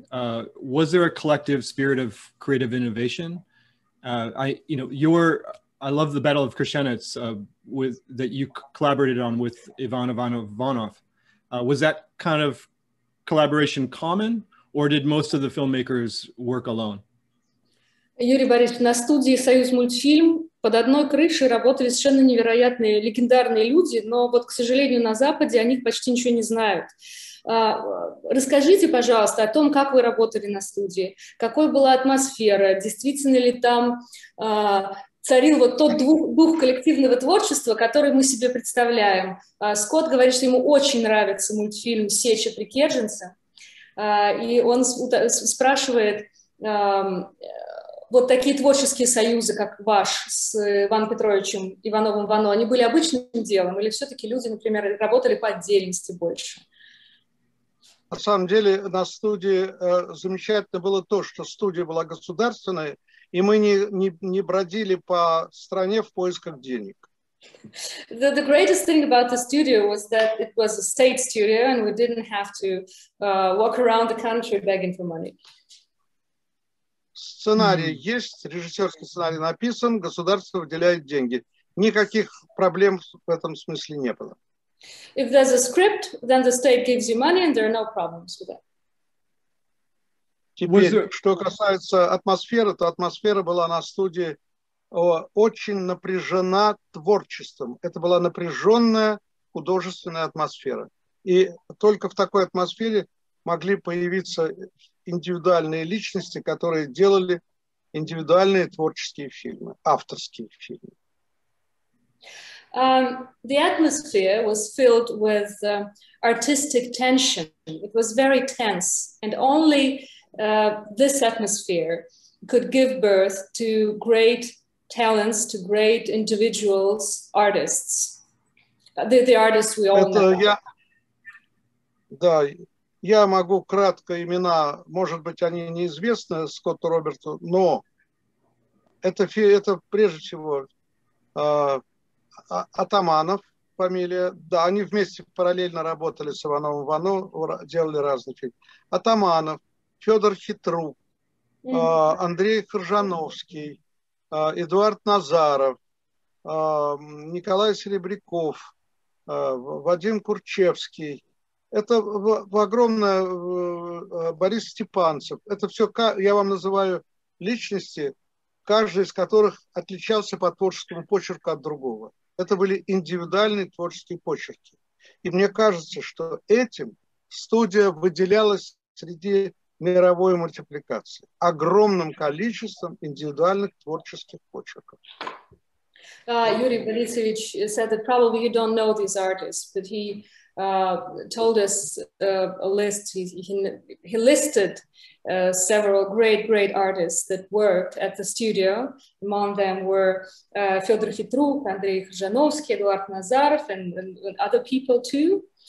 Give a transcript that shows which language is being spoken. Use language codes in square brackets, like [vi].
[en] Was there a collective spirit of creative innovation? I love the Battle of Krasenets that you collaborated on with Ivan Ivanov. Was that kind of collaboration common, or did most of the filmmakers work alone? [ru] Yuri Borisovich, на студии Союз мультфильм под одной крышей работали совершенно невероятные легендарные люди, но вот, к сожалению, на Западе о них почти ничего не знают. Расскажите, пожалуйста, о том, как вы работали на студии, какой была атмосфера, действительно ли там царил вот тот дух коллективного творчества, который мы себе представляем. Скотт говорит, что ему очень нравится мультфильм «Сеча Прикерженца», и он спрашивает вот такие творческие союзы, как ваш с Иваном Петровичем Ивановым Вано, они были обычным делом, или все-таки люди, например, работали по отдельности больше? На самом деле на студии замечательно было то, что студия была государственной, и мы не бродили по стране в поисках денег. [en] The greatest thing about the studio was that it was a state studio, and we didn't have to walk around the country begging for money. [ru] Сценарий есть, режиссерский сценарий написан, государство выделяет деньги. Никаких проблем в этом смысле не было. [en] If there's a script, then the state gives you money, and there are no problems with that. [ru] Теперь, что касается атмосферы, то атмосфера была на студии очень напряжена творчеством. Это была напряженная художественная атмосфера. И только в такой атмосфере могли появиться индивидуальные личности, которые делали индивидуальные творческие фильмы, авторские фильмы. [en] The atmosphere was filled with artistic tension. It was very tense, and only this atmosphere could give birth to great talents, to great individuals, artists. The artists we all know. [ru] Да, я могу кратко имена, может быть, они неизвестны Скотту Роберту, но это прежде всего Атаманов фамилия. Да, они вместе параллельно работали с Ивановым Вано, делали разные фильмы. Атаманов, Федор Хитрук, Андрей Хржановский, Эдуард Назаров, Николай Серебряков, Вадим Курчевский. Это огромное, Борис Степанцев. Это все, я вам называю, личности, каждый из которых отличался по творческому почерку от другого. Это были индивидуальные творческие почерки. И мне кажется, что этим студия выделялась среди мировой мультипликации огромным количеством индивидуальных творческих почерков. [en] Юрий Борисович said that probably you don't know these artists, but he told us a list. He listed several great artists that worked at the studio. Among them were Fyodor Khitruk, Andrei Khrzhanovsky, Eduard Nazarov, and other people too.